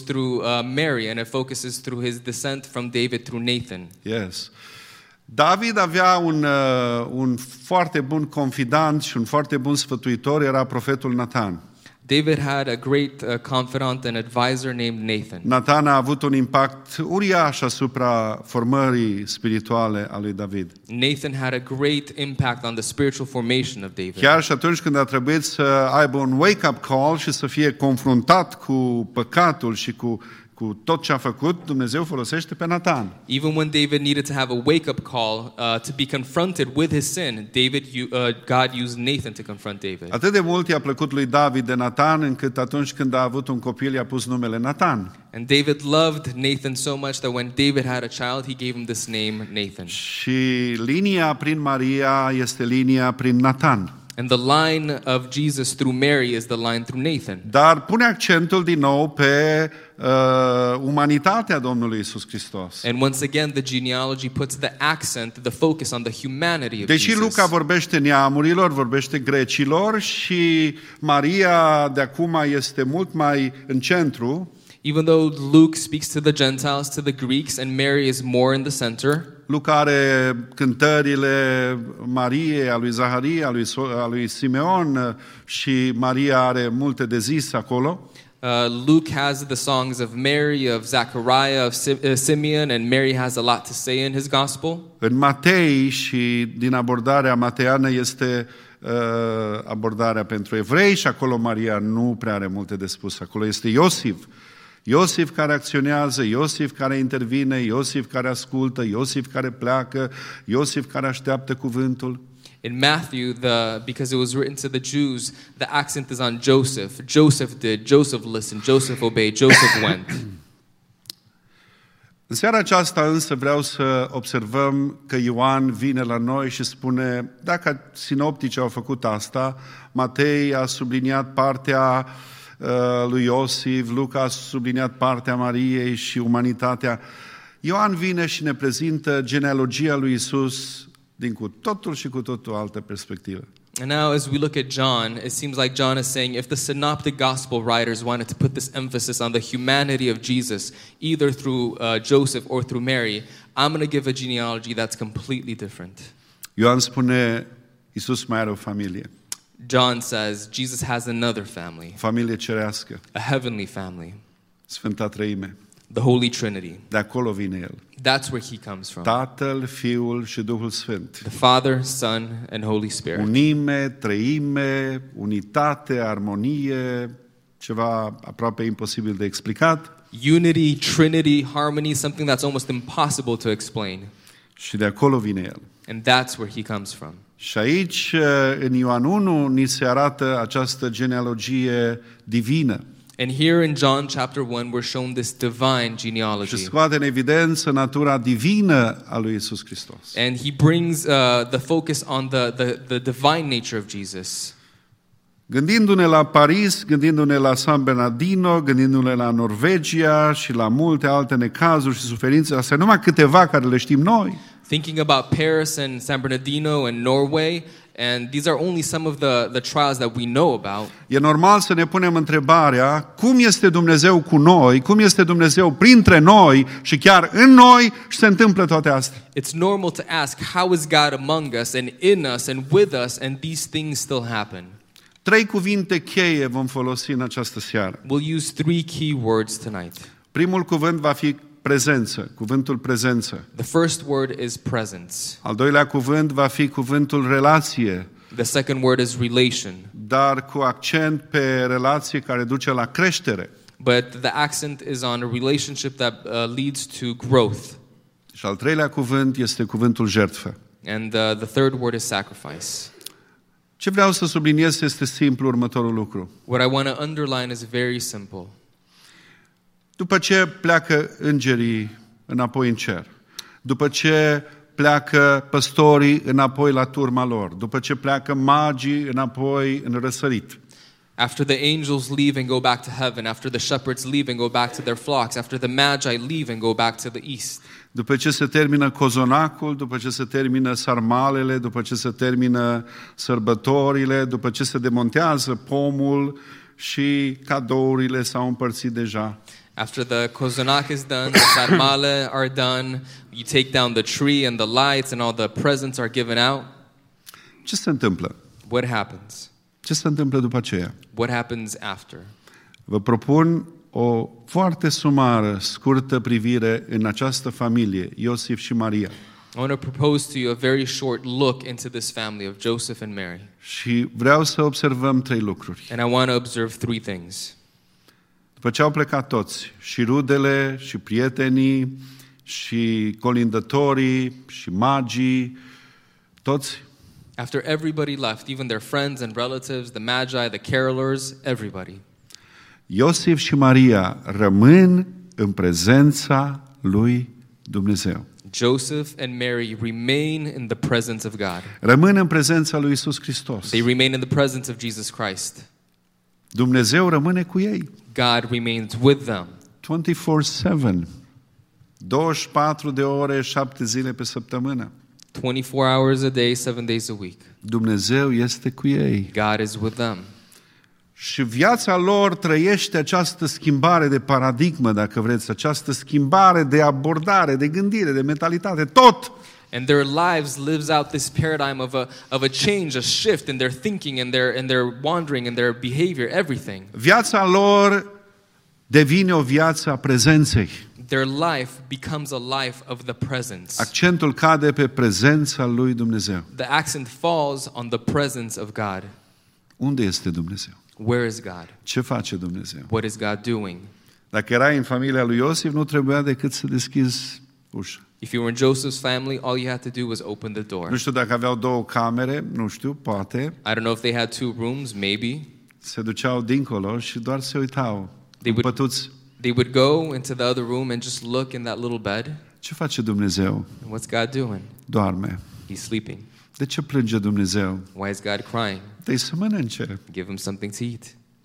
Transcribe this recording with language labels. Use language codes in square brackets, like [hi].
[en] through Mary, and it focuses through his descent from David through Nathan. Yes. [ro] David avea un foarte bun confidant și un foarte bun sfătuitor, era profetul Nathan. [en] David had a great confidant and advisor named Nathan. [ro] Nathan a avut un impact uriaș asupra formării spirituale a lui David. [en] Nathan had a great impact on the spiritual formation of David. [ro] Chiar și atunci când a trebuit să aibă un wake-up call și să fie confruntat cu păcatul și cu tot ce a făcut, Dumnezeu folosește pe Nathan. [en] Even when David needed to have a wake-up call to be confronted with his sin, God used Nathan to confront David. [ro] Atât de mult i-a plăcut lui David de Nathan, încât atunci când a avut un copil, i-a pus numele Nathan. [en] And David loved Nathan so much that when David had a child, he gave him this name, Nathan. [ro] Și linia prin Maria este linia prin Nathan. [en] And the line of Jesus through Mary is the line through Nathan. [ro] Dar pune accentul din nou pe umanitatea Domnului Iisus Hristos. [en] And once again the genealogy puts the accent, the focus on the humanity of [ro] Jesus. Deși Luca vorbește neamurilor, vorbește grecilor și Maria de acum este mult mai în centru. [en] Even though Luke speaks to the Gentiles, to the Greeks, and Mary is more in the center. [ro] Luca are cântările Marie, a lui Zaharia, a lui Simeon, și Maria are multe de zis acolo. [en] Luke has the songs of Mary, of Zachariah, of Simeon, and Mary has a lot to say in his gospel. [ro] În Matei și din abordarea mateană este abordarea pentru evrei și acolo Maria nu prea are multe de spus. Acolo este Iosif. Iosif care acționează, Iosif care intervine, Iosif care ascultă, Iosif care pleacă, Iosif care așteaptă cuvântul. [en] In Matthew, because it was written to the Jews, the accent is on Joseph. Joseph did, Joseph listened, Joseph obeyed, Joseph went. [ro] În seara aceasta însă vreau să observăm că Ioan vine la noi și spune, dacă sinoptici au făcut asta, Matei a subliniat partea lui Iosif, Luca a subliniat partea Mariei și umanitatea. Ioan vine și ne prezintă genealogia lui Iisus din cu totul și cu totul altă perspectivă. [en] And now as we look at John, it seems like John is saying if the synoptic gospel writers wanted to put this emphasis on the humanity of Jesus either through Joseph or through Mary, I'm going to give a genealogy that's completely different. [ro] Ioan spune Iisus mai are o familie. [en] John says Jesus has another family. [ro] Familie cerească. [en] A heavenly family. [ro] Sfânta Treime. [en] The Holy Trinity. [ro] De acolo vine el. [en] That's where he comes from. [ro] Tatăl, Fiul și Duhul Sfânt. [en] The Father, Son and Holy Spirit. [ro] Unime, treime, unitate, armonie, ceva aproape imposibil de explicat. [en] Unity, Trinity, harmony, something that's almost impossible to explain. [ro] Și de acolo vine el. [en] And that's where he comes from. [ro] Și aici, în Ioan 1, ni se arată această genealogie divină. [en] And here in John chapter 1, we're shown this divine genealogy. [ro] Și scoate în evidență natura divină a lui Iisus Hristos. [en] And he brings the focus on the divine nature of Jesus. [ro] Gândindu-ne la Paris, gândindu-ne la San Bernardino, gândindu-ne la Norvegia și la multe alte necazuri și suferințe, astea numai câteva care le știm noi. [en] Thinking about Paris and San Bernardino and Norway, and these are only some of the trials that we know about. [ro] E normal să ne punem întrebarea, cum este Dumnezeu cu noi, cum este Dumnezeu printre noi și chiar în noi și se întâmplă toate astea. [en] It's normal to ask, how is God among us and in us and with us and these things still happen? [ro] Trei cuvinte cheie vom folosi în această seară. [en] We'll use three key words tonight. [ro] Primul cuvânt va fi prezență, cuvântul prezență. [en] The first word is presence. [ro] Al doilea cuvânt va fi cuvântul relație. [en] The second word is relation. [ro] Dar cu accent pe relație care duce la creștere. [en] But the accent is on a relationship that leads to growth. [ro] Și al treilea cuvânt este cuvântul jertfă. [en] And the third word is sacrifice. [ro] Ce vreau să subliniez este simplu următorul lucru. [en] What I want to underline is very simple. [ro] După ce pleacă îngerii înapoi în cer, după ce pleacă păstorii înapoi la turma lor, după ce pleacă magii înapoi în răsărit. [en] After the angels leave and go back to heaven, after the shepherds leave and go back to their flocks, after the magi leave and go back to the east. [ro] După ce se termină cozonacul, după ce se termină sarmalele, după ce se termină sărbătorile, după ce se demontează pomul și cadourile s-au împărțit deja. [en] After the cozonac is done, the sarmale are done, you take down the tree and the lights and all the presents are given out. [ro] Ce se întâmplă? [en] What happens? [ro] Ce se întâmplă după aceea? [en] What happens after? [ro] Vă propun o foarte sumară, scurtă privire în această familie, Iosif și Maria. [en] I want to propose to you a very short look into this family of Joseph and Mary. [ro] Și vreau să observăm trei lucruri. [en] And I want to observe three things. [ro] După ce au plecat toți, și rudele, și prietenii, și colindătorii, și magii, toți. [en] After everybody left, even their friends and relatives, the magi, the carolers, everybody. [ro] Iosif și Maria rămân în prezența lui Dumnezeu. [en] Joseph and Mary remain in the presence of God. [ro] Rămân în prezența lui Iisus Hristos. [en] They remain in the presence of Jesus Christ. [ro] Dumnezeu rămâne cu ei. [en] God remains with them. 24/7. [ro] 24 de ore, 7 zile pe săptămână. [en] 24 hours a day, 7 days a week. [ro] Dumnezeu este cu ei. [en] God is with them. [ro] Și viața lor trăiește această schimbare de paradigmă, dacă vreți, această schimbare de abordare, de gândire, de mentalitate, tot. [en] And their lives lives out this paradigm of a change, a shift in their thinking and their wandering and their behavior, everything. [ro] Viața lor devine o viață a prezenței. [en] Their life becomes a life of the presence. [ro] Accentul cade pe prezența lui Dumnezeu. [en] The accent falls on the presence of God. [ro] Unde este Dumnezeu? [en] Where is God? [ro] Ce face Dumnezeu? [en] What is God doing? [ro] Dacă erai în familia lui Iosif, nu trebuia decât să deschizi ușa. [en] If you were in Joseph's family, all you had to do was open the door. [ro] Nu știu dacă aveau două camere, nu știu, poate. [en] I don't know if they had two rooms, maybe. [ro] Se duceau dincolo și doar se uitau. [en] They would go into the other room and just look in that little bed. [ro] Ce face Dumnezeu? [en] And what's God doing? [ro] Doarme. [en] He's sleeping. [ro] De ce plânge Dumnezeu? [en] Why is God crying? [ro] Dă-i să mănânce. [en] Give him something to eat.